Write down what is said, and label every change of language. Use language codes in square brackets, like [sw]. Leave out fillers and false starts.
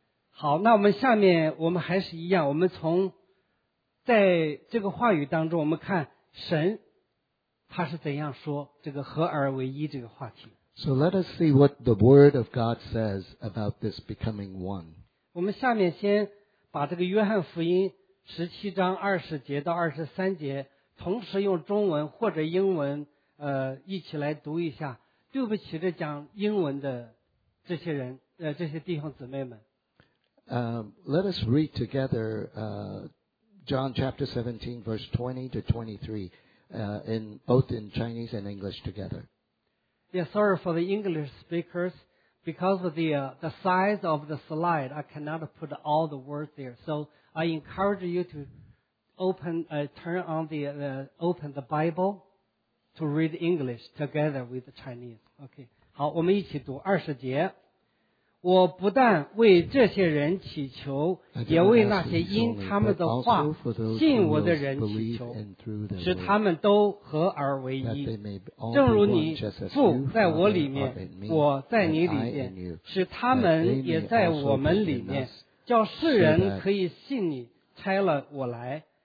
[zh] 好，那我们下面我们还是一样，我们从在这个话语当中我们看神他是怎样说这个合而为一这个话题。 [en] So let us see what the word of God says about this becoming one. [zh] 我们下面先把这个约翰福音十七章二十节到二十三节同时用中文或者英文一起来读一下，对不起这讲英文的这些人这些弟兄姊妹们。 [en] Let us read together John chapter 17 verse 20 to 23 in both in Chinese and English together. Yeah, sorry for the English speakers. Because of the size of the slide, I cannot put all the words there. So I encourage you to open the Bible to read English together with the Chinese. [zh] Okay. 好，我们一起读二十节。我不但为这些人祈求，也为那些因他们的话信我的人祈求，使他们都合而为一，正如你父在我里面，我在你里面，使他们也在我们里面，叫世人可以信你差了我来。